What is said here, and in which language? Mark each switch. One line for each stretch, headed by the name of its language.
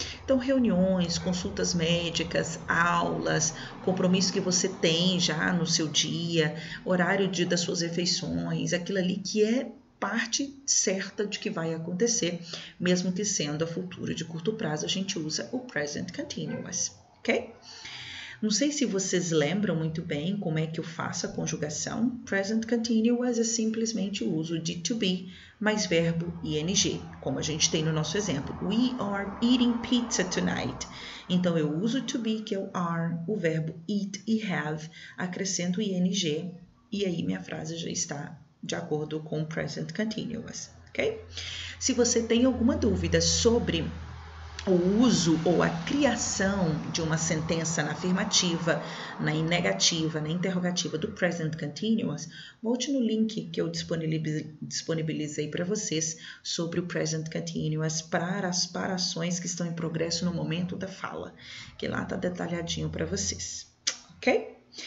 Portuguese: Então, reuniões, consultas médicas, aulas, compromisso que você tem já no seu dia, horário das suas refeições, aquilo ali que é parte certa de que vai acontecer, mesmo que sendo a futuro de curto prazo, a gente usa o present continuous, ok? Não sei se vocês lembram muito bem como é que eu faço a conjugação. Present continuous é simplesmente o uso de to be mais verbo ing, como a gente tem no nosso exemplo.
English: We are eating pizza tonight.
Portuguese: Então, eu uso to be, que é o are, o verbo eat e have, acrescento ing, e aí minha frase já está de acordo com o present continuous, ok? Se você tem alguma dúvida sobre o uso ou a criação de uma sentença na afirmativa, na negativa, na interrogativa do present continuous, volte no link que eu disponibilizei para vocês sobre o present continuous para ações que estão em progresso no momento da fala, que lá está detalhadinho para vocês, ok?